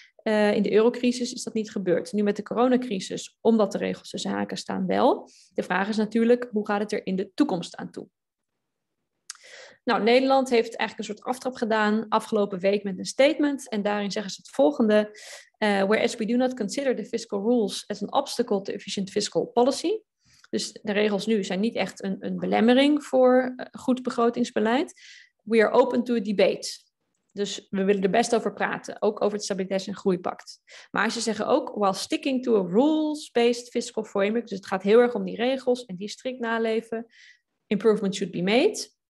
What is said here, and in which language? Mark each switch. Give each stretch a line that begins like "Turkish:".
Dutch: In de eurocrisis is dat niet gebeurd. Nu met de coronacrisis, omdat de regels tussen haken staan, wel. De vraag is natuurlijk, hoe gaat het er in de toekomst aan toe? Nou, Nederland heeft eigenlijk een soort aftrap gedaan afgelopen week met een statement. En daarin zeggen ze het volgende.
English: Whereas we do not consider the fiscal rules as an obstacle to efficient fiscal policy.
Dutch: Dus de regels nu zijn niet echt een belemmering voor goed begrotingsbeleid.
English: We are open to a debate.
Dutch: Dus we willen er best over praten, ook over het Stabiliteits- en Groeipact. Maar ze zeggen ook,
English: while sticking to a rules-based fiscal framework,
Dutch: dus het gaat heel erg om die regels en die strikt naleven,
English: improvement should be made.